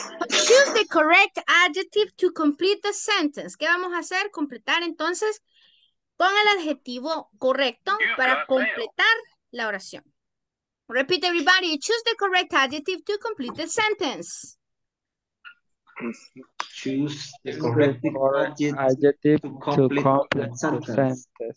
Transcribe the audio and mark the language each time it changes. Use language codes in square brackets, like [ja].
[en] Choose the correct adjective to complete the sentence. [es] ¿Qué vamos a hacer? Completar entonces con el adjetivo correcto para completar la oración. [en] Repeat, everybody. Choose the correct adjective to complete the sentence. Choose the correct adjective to complete the sentence.